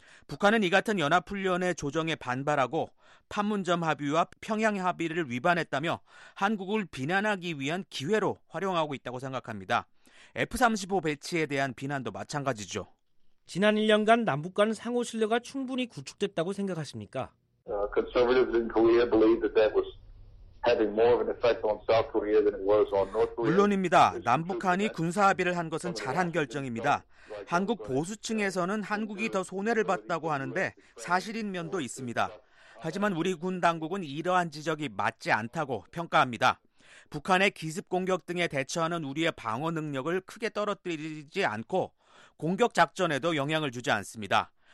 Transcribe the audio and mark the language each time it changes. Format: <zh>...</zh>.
<ko>북한은 이 같은 연합훈련의 조정에 반발하고 판문점 합의와 평양 합의를 위반했다며 한국을 비난하기 위한 기회로 활용하고 있다고 생각합니다. F-35 배치에 대한 비난도 마찬가지죠. 지난 1년간 남북 간 상호 신뢰가 충분히 구축됐다고 생각하십니까?</ko> <en>Conservatives in Korea believe that that was having more of an effect on South Korea than it was on North Korea.</en> <ko>물론입니다. 남북한이 군사 합의를 한 것은 잘한 결정입니다. 한국 보수층에서는 한국이 더 손해를 봤다고 하는데 사실인 면도 있습니다. 하지만 우리 군 당국은 이러한 지적이 맞지 않다고 평가합니다. 북한의 기습 공격 등에 대처하는 우리의 방어 능력을 크게 떨어뜨리지 않고 공격 작전에도 영향을 주지 않습니다.</ko>